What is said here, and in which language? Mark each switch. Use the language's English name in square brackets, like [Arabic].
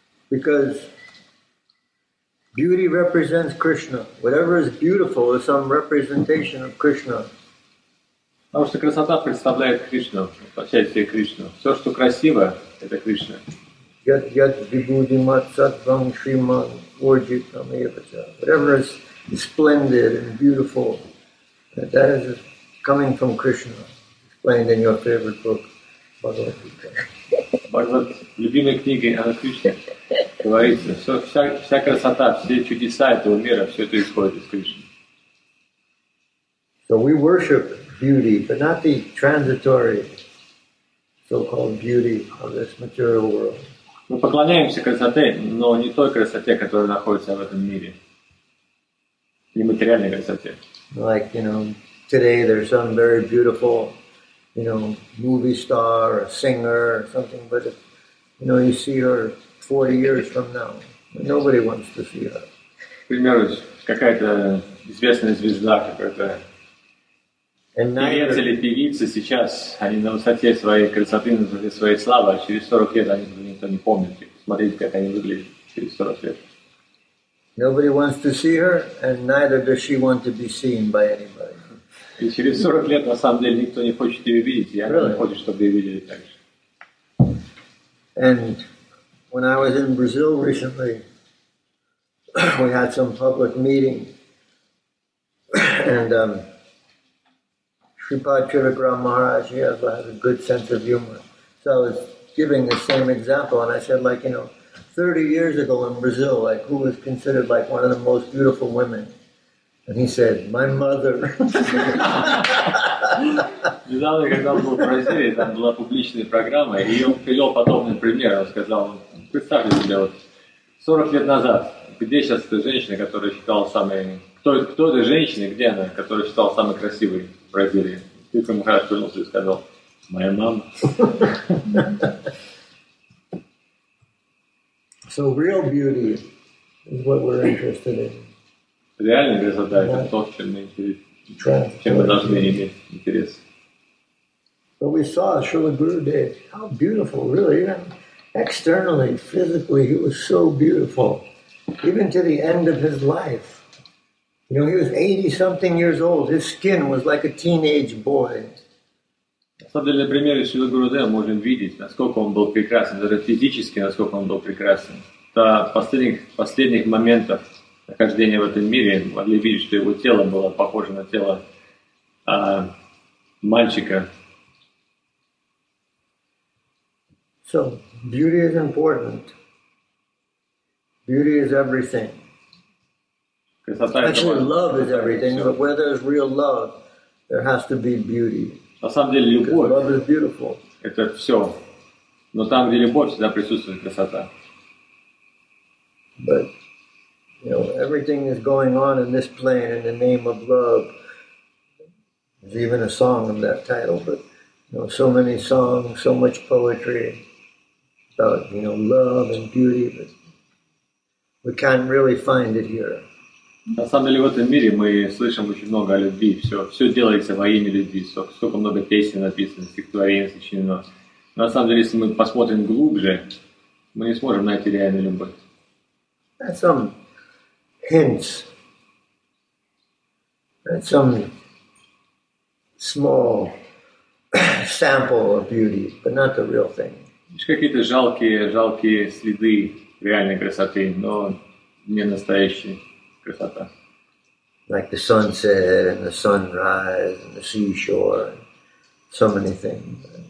[English] Because beauty represents Krishna. Whatever is beautiful is some representation of Krishna. [Russian] Потому что красота представляет Кришну, воплощает себе Кришну. Все, что красиво, это Кришна. Яд, яд, вибуди, матсад, вам, шрима, орджи, там, ебача. [English] Whatever is splendid and beautiful, that is coming from Krishna, explained in your favorite book, Bhagavad Gita. [Russian] Бхагавад, любимая книга о Кришне, говорится, все, вся, вся красота, все чудеса этого мира, все это исходит из Кришны. [English] So we worship beauty, but not the transitory so-called beauty of this material world. [Russian] Мы поклоняемся красоте, но не той красоте, которая находится в этом мире. Нематериальной красоте. [English] Like, you know, today there's some very beautiful, you know, movie star or singer or something, but if, you know, you see her 40 years from now, nobody wants to see her. [Russian] К примеру, какая-то известная звезда, какая-то певец или певица сейчас, они на высоте своей красоты, на высоте своей славы, а через 40 лет они никто не помнит. Смотрите, как они выглядят через 40 лет. [English] Nobody wants to see her, and neither does she want to be seen by anybody. [Russian] И через 40 лет, на самом деле, никто не хочет ее видеть, и она не хочет, чтобы ее видели так же. [English] And when I was in Brazil recently, we had some public meeting, and Shripad Chidagram Maharaj, he has a good sense of humor. So I was giving the same example, and I said, like, you know, 30 years ago in Brazil, like, who was considered, like, one of the most beautiful women? And he said, my mother. [Russian] Недавно, когда он был в Бразилии, там была публичная программа, и он привел подобный пример. Он сказал, представьте себе, вот 40 лет назад, где сейчас эта женщина, которая считала самой... Кто эта женщина, где она, которая считала самой красивой? В Бразилии. Ты Махарадж вернулся и сказал, моя мама. [English] So real beauty is what we're interested in. [Russian] Реальная красота это то, чем мы должны иметь интерес. [English] But we saw Srila Gurudev, how beautiful, really, even externally, physically, he was so beautiful. Even to the end of his life. You know, he was 80-something years old. His skin was like a teenage boy. [Russian] На самом деле, на примере Шрилы Гурудева можем видеть, насколько он был прекрасен, даже физически, насколько он был прекрасен. До последних моментов нахождения в этом мире могли видеть, что его тело было похоже на тело мальчика. [English] So, beauty is important. Beauty is everything. Actually, love is everything, but where there's real love, there has to be beauty. [Russian] На самом деле, любовь. [English] Love is beautiful. [Russian] Это все. Но там, где любовь, всегда присутствует красота. [English] But you know, everything is going on in this plane in the name of love. There's even a song of that title, but you know, so many songs, so much poetry about, you know, love and beauty, but we can't really find it here. [Russian] На самом деле, в этом мире мы слышим очень много о любви. Все делается во имя любви. Столько много песен написано, стихотворений сочинено. Но на самом деле, если мы посмотрим глубже, мы не сможем найти реальную любовь. [English] And some hints. And some small sample of beauty, but not the real thing. [Russian] Лишь какие-то жалкие следы реальной красоты, но не настоящие. [English] Like the sunset and the sunrise and the seashore, and so many things.